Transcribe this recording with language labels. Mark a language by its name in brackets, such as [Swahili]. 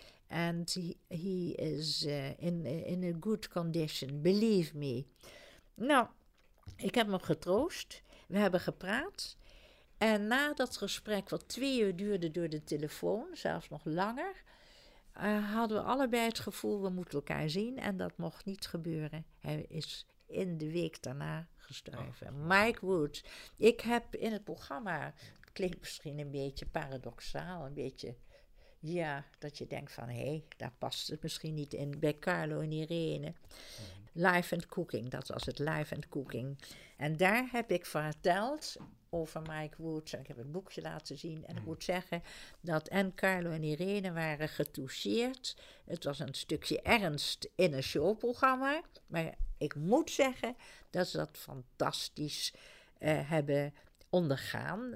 [English] And he is in a good condition, believe me. [Dutch] Nou, ik heb hem getroost. We hebben gepraat. En na dat gesprek, wat 2 uur duurde door de telefoon, zelfs nog langer, hadden we allebei het gevoel, we moeten elkaar zien. En dat mocht niet gebeuren. Hij is in de week daarna gestorven. Oh. Mike Wood. Ik heb in het programma, het klinkt misschien een beetje paradoxaal, een beetje, ja, dat je denkt van, hé, daar past het misschien niet in, bij Carlo en Irene. Life and Cooking, dat was het, Life and Cooking. En daar heb ik verteld over Mike Woods. En ik heb het boekje laten zien. En ik moet zeggen dat en Carlo en Irene waren getoucheerd. Het was een stukje ernst in een showprogramma. Maar ik moet zeggen dat ze dat fantastisch hebben ondergaan.